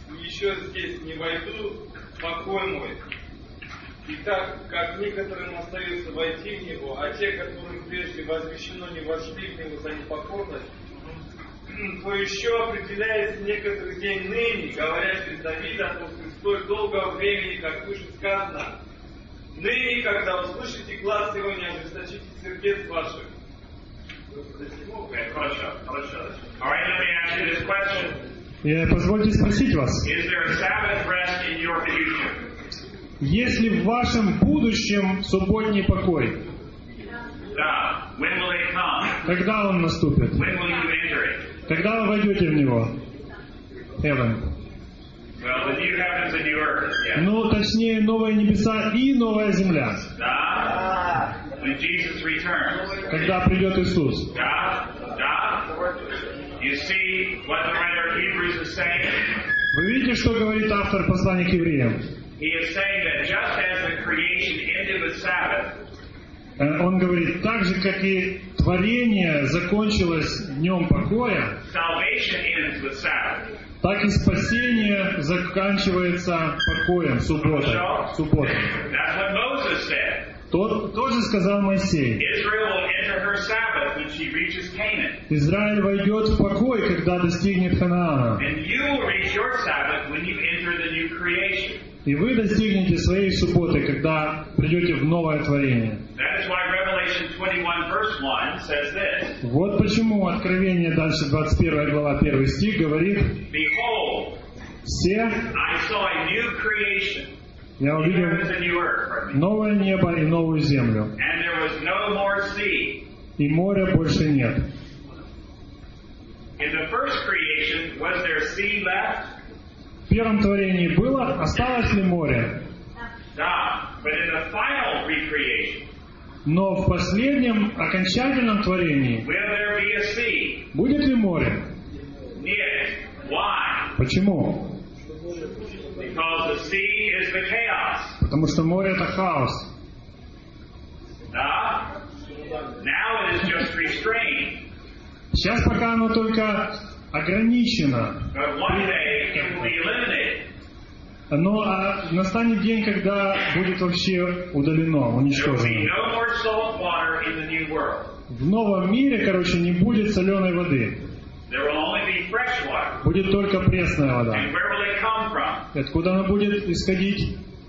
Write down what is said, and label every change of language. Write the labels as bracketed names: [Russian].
[Russian] Еще здесь не войду, покой мой. И так, как некоторым остается войти в него, а те, которым прежде возвещено, не вошли в него за непокорность, то еще определяется некоторый день ныне, говоря без Давида, после столь долгого времени, как выше сказано, ныне, когда услышите глас его, не ожесточите сердец ваших. [English] Alright, let me ask you this question. [Russian] Yeah, позвольте спросить вас. [English] Is there a Sabbath rest in your future? [Russian] Есть ли в вашем будущем субботний покой? [English] Да. When will it come? [Russian] Когда он наступит? [English] When will you enter it? [Russian] Когда вы войдете в него? [English] Heaven. Well, the new heavens and new earth. Yeah. [Russian] Ну, точнее, новые небеса и новая земля. [English] Да. When Jesus returns. [Russian] Когда придет Иисус? Да. Да. [English] You see what the writer of Hebrews is saying? [Russian] Вы видите, что говорит автор послания к евреям? [English] He is saying that just as the creation ended with Sabbath. [Russian] Он говорит, так же, как и творение закончилось днем покоя, [English] salvation ends with Sabbath. [Russian] Так и спасение заканчивается покоем, субботой. Субботой. [English] That's what Moses said. [Russian] То же сказал Моисей. [English] Israel will enter her Sabbath when she reaches Canaan. [Russian] Израиль войдет в покой, когда достигнет Ханаана. [English] And you will reach your Sabbath when you enter the new creation. [Russian] И вы достигнете своей субботы, когда придете в новое творение. [English] That is why Revelation 21 verse 1 says this. [Russian] Вот почему Откровение дальше 21 глава 1 стих говорит: [English] Behold, [Russian] все, [English] I saw a new creation. [Russian] Я увидел новое небо и новую землю. [English] And there was no more sea. [Russian] И моря больше нет. [English] In the first creation, was there sea left? [Russian] В первом творении было, осталось ли море? [English] Да. But in the final recreation, [Russian] но в последнем, окончательном творении, [English] will there be a sea? [Russian] Будет ли море? Нет. [English] Why? [Russian] Почему? [English] Because the sea is the chaos. [Russian] Потому что море это хаос. [English] Да. Now it is just restrained. [Russian] Сейчас пока оно только ограничено. [English] But one day it will be eliminated. [Russian] Но настанет день, когда будет вообще удалено, уничтожено. [English] There will be no more salt water in the new world. [Russian] В новом мире, короче, не будет соленой воды. [English] There will only be fresh water. [Russian] Будет только пресная вода. [English] And where will it come from? [Russian] Откуда она будет исходить?